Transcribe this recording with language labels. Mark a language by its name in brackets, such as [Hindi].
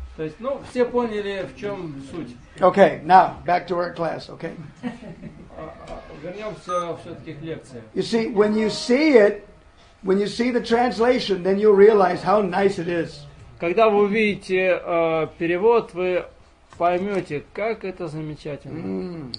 [Russian] То есть, ну, все поняли, в чем суть. [English] Okay, now, back to our class, okay? [Russian] Вернемся все-таки к лекции. [English] You see, when you see it, when you see the translation, then you'll realize how nice it is. [Russian] Когда вы увидите перевод, вы поймете, как это замечательно.